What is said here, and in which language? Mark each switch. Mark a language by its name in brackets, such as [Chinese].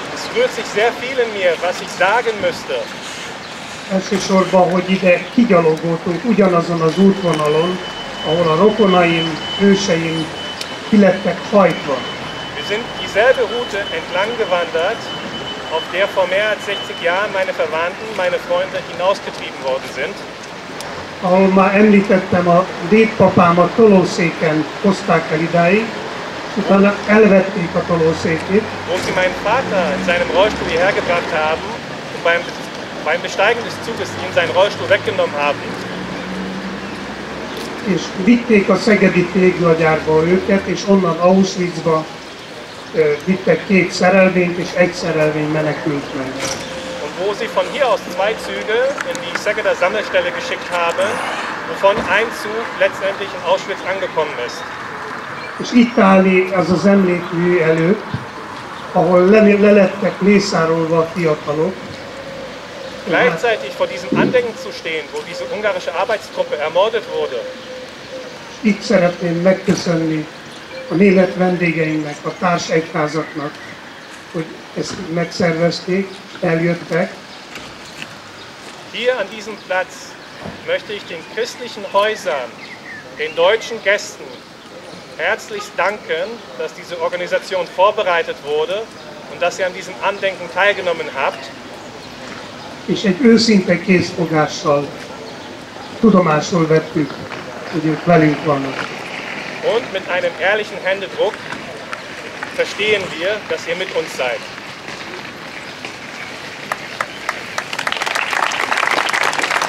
[German] Es wird sich sehr viel in mir, was ich sagen müsste. [Hungarian] Elsősorban, hogy ide kigyalogoltunk ugyanazon az útvonalon, ahol a rokonaim, őseim kilettek hajtva. [German] Wir sind dieselbe Route entlang gewandert, auf der vor mehr als 60 Jahren meine Verwandten, meine Freunde hinausgetrieben worden sind. [Hungarian] ahol már említettem, a dédpapámat tolószéken hozták el idáig, és utána elvették a tolószékét. [German] Wo sie meinen Vater in seinem Rollstuhl hierher gebracht haben und beim Besteigen des Zuges ihn seinen Rollstuhl weggenommen haben. [Hungarian] És vitték a szegedi téglagyárba őket, és onnan Auschwitzba vittek két szerelvényt, és egy szerelvény menekült meg. [German] Und wo sie von hier aus zwei Züge in die Szegeder Sammelstelle geschickt haben, wovon ein Zug letztendlich in Auschwitz angekommen ist. [Hungarian] És itt áll az az emlékmű előtt, ahol lelettek mészárolva a fiatalok. [German] Gleichzeitig vor diesem Andenken zu stehen, wo diese ungarische Arbeitstruppe ermordet wurde. [Hungarian] Itt szeretném megköszönni a német vendégeinknek, a társ egyházaknak, hogy ezt megszervezték, eljöttek. [German] Hier an diesem Platz möchte ich den christlichen Häusern, den deutschen Gästen, herzlichst danken, dass diese Organisation vorbereitet wurde und dass ihr an diesem Andenken teilgenommen habt. [Hungarian] És egy őszinte kézfogással tudomásul vettük, hogy ők velünk vannak. [German] Und mit einem ehrlichen Händedruck verstehen wir, dass ihr mit uns seid.